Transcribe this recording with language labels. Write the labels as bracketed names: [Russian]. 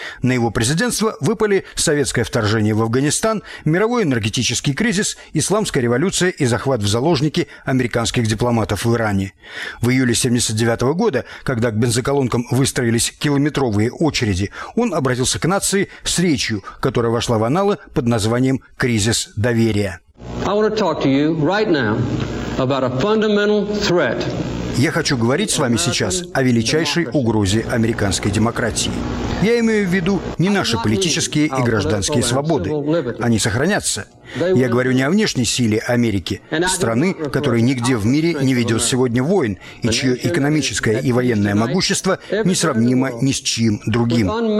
[Russian] На его президентство выпали советское вторжение в Афганистан, мировой энергетический кризис, исламская революция и захват в заложники американских дипломатов в Иране. В июле 79 года, когда к бензоколонкам выстроились километровые очереди, он обратился к нации с речью, которая вошла в аналы под названием «Кризис доверия». [English] I want to talk to you right now about a fundamental threat. [Russian] Я хочу говорить с вами сейчас о величайшей угрозе американской демократии. Я имею в виду не наши политические и гражданские свободы. Они сохранятся. Я говорю не о внешней силе Америки, страны, которая нигде в мире не ведет сегодня войн, и чье экономическое и военное могущество несравнимо ни с чьим другим.